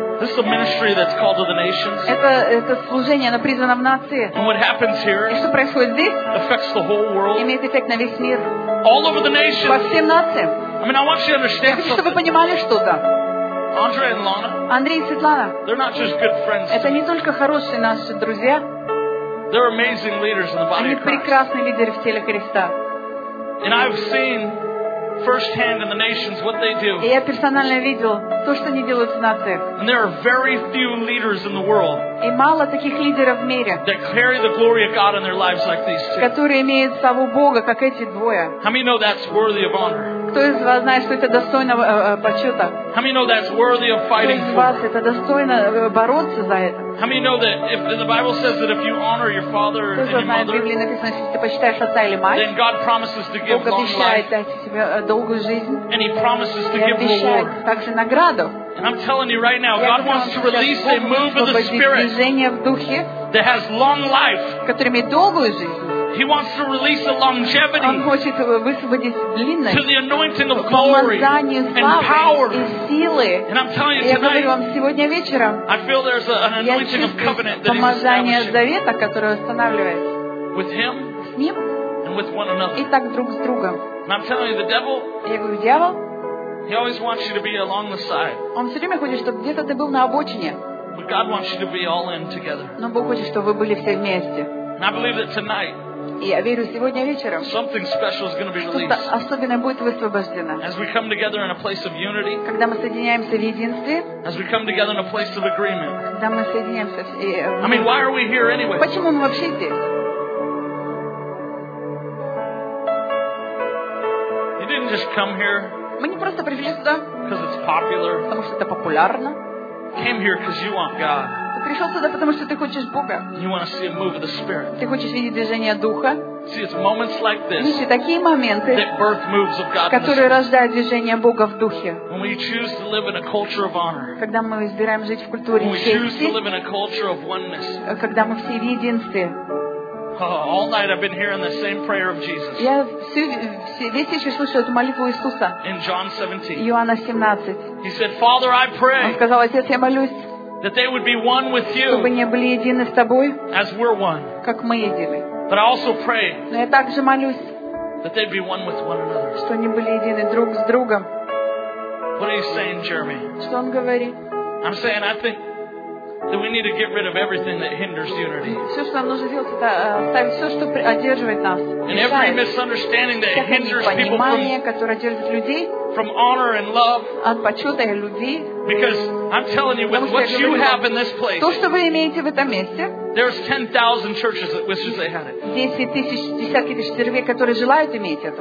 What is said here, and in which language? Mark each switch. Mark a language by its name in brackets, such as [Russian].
[English] This is a ministry that's called to the nations. [Russian] Это служение, оно призвано в нации. [English] And what happens here? [Russian] И что происходит здесь? [English] Affects the whole world. [Russian] Имеет эффект на весь мир. [English] All over the nations. [Russian] Во всем нациям. [English] I mean, I want you to understand. [Russian] Я хочу, чтобы вы понимали что-то. [English] Andre and Lana. [Russian] Андрей и Светлана. [English] They're not just good friends. [Russian] Это не только хорошие наши друзья. [English] They're amazing leaders in the body of Christ. [Russian] Они прекрасные лидеры в теле Христа. [English] And I've seen firsthand in the nations what they do. [Russian] Я персонально видел то, что они делают в нациях. [English] And there are very few leaders in the world. [Russian] И мало таких лидеров в мире. [English] That carry the glory of God in their lives like these two. [Russian] Которые имеют славу Бога, как эти двое. [English] How many know that's worthy of honor? [Russian] Кто из вас знает, что это достойно почета? [English] How many know that's worthy of fighting for? [Russian] Кто из вас это достойно бороться за это? [English] How many know that if the Bible says that if you honor your father and your mother, [Russian] в Библии написано, если ты почитаешь отца или мать, [English] then God promises to give long life. [Russian] Долгую жизнь. [English] And He promises to [Russian] и [English] give reward. [Russian] Также награду. [English] And I'm telling you right now, God wants to release [Russian] Богу, [English] a move of the Spirit [Russian] движение в духе, [English] that has long life. [Russian] Который имеет долгую жизнь. [English] He wants to release a longevity. [Russian] Он хочет высвободить длинность. [English] To the anointing of glory and power. [Russian] И силы. [English] And I'm telling you [Russian] я [English] tonight, [Russian] говорю вам сегодня вечером. [English] I feel there's an anointing of covenant that [Russian] помазание завета, которое устанавливает. [English] With Him. [Russian] С Ним. [English] And with one another. [Russian] И так друг с другом. [English] And I'm telling you, the devil. [Russian] Я говорю, дьявол. [English] He always wants you to be along the side. [Russian] Он все время хочет, чтобы где-то ты был на обочине. [English] But God wants you to be all in together. [Russian] Но Бог хочет, чтобы вы были все вместе. [English] And I believe that tonight. [Russian] И я верю, сегодня вечером что-то особенное будет высвобождено. [English] As we come together in a place of unity, [Russian] когда мы соединяемся в единстве, [English] as we come together in a place of agreement, [Russian] когда мы соединяемся в [English] I mean, why are we here anyway? [Russian] Почему мы вообще здесь? [English] You didn't just come here, [Russian] мы не просто пришли сюда, [English] because it's popular, [Russian] потому что это популярно. [English] Came here because you want God. [Russian] Пришел сюда, потому что ты хочешь Бога. [English] You want to see a move of the Spirit. [Russian] Ты хочешь видеть движение Духа. [English] See, it's moments like this. [Russian] Видите, такие моменты, [English] that birth moves of God. [Russian] Которые рождают движение Бога в Духе. [English] When we choose to live in a culture of honor. [Russian] Когда мы избираем жить в культуре чести. [English] When we choose to live in a culture of oneness. [Russian] Когда мы все в единстве. [English] All night I've been hearing the same prayer of Jesus. [Russian] Я весь вечер слышу эту молитву Иисуса. [English] In John 17. [Russian] Иоанна 17. [English] He said, Father, I pray. [Russian] Он сказал, Отец, я молюсь. [English] That they would be one with you, [Russian] чтобы они были едины с тобой, [English] as we're one, [Russian] как мы едины. [English] But I also pray that they'd be one with one another. [Russian] Что они были едины друг с другом. [English] What are you saying, Jeremy? [Russian] Что он говорит? [English] I'm saying I think that we need to get rid of everything that hinders unity. [Russian] Все, что нам нужно делать, это оставить все, что одерживает нас. [English] And every misunderstanding that hinders people from honor and love. [Russian] От почёта и любви. [English] Because I'm telling you, with what you have in this place, [Russian] то, что вы имеете в этом месте, [English] there's 10,000 churches that wish they had it. [Russian] 10,000 десятки тысяч церквей, которые желают иметь это.